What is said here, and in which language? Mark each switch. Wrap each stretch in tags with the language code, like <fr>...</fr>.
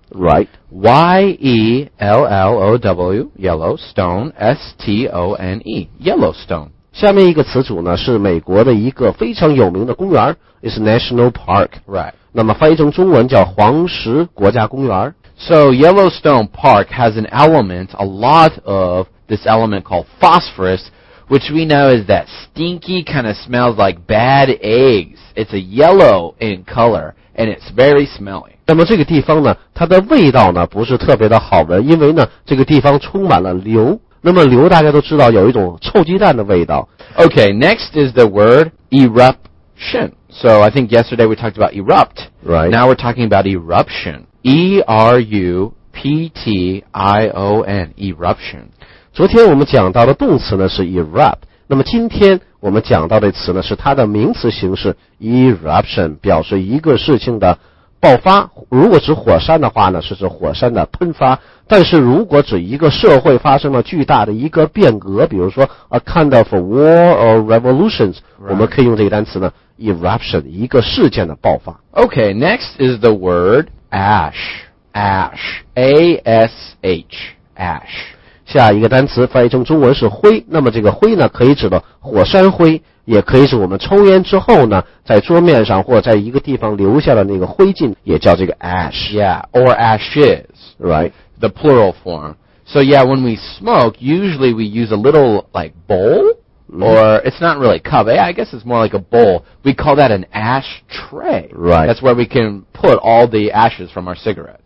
<en>Right. Y-E-L-L-O-W, Yellowstone, S-T-O-N-E, Yellowstone.</en> <zh>下面一个词组呢是美国的一个非常有名的公园</zh> <en>is National Park. Right.</en> <zh>那么翻译成中文叫黄石国家公园。</zh> <en>So Yellowstone Park has an element, a lot of this element called phosphorus, which we know is that stinky kind of smells like bad eggs. It's a yellow in color, and it's very smelly.</en> <zh>那么这个地方呢它的味道呢不是特别的好闻，因为呢这个地方充满了硫，那么硫大家都知道有一种臭鸡蛋的味道。</zh> <en>OK, next is the word eruption. So I think yesterday we talked about erupt. Right. Now we're talking about eruption. E-R-U-P-T-I-O-N, eruption.</en> <zh>昨天我们讲到的动词呢是 erupt, 那么今天我们讲到的词呢是它的名词形式 eruption, 表示一个事情的爆发。如果指火山的话呢是指火山的喷发，但是如果指一个社会发生了巨大的一个变革，比如说</zh> <en>a kind of a war or revolutions、 right.</en> <zh>我们可以用这个单词呢 eruption, 一个事件的爆发。</zh> <en>OK, next is the word ash. Ash, A-S-H, ash.</en> <zh>下一个单词翻译成中文是灰，那么这个灰呢可以指的火山灰，也可以是我们抽烟之后呢在桌面上或在一个地方留下的那个灰烬，也叫这个 ash.</zh> <en>Yeah, or ashes. Right. The plural form. So yeah, when we smoke, usually we use a little like bowl, or it's not really cup. I guess it's more like a bowl. We call that an ash tray. Right. That's where we can put all the ashes from our cigarette.</en>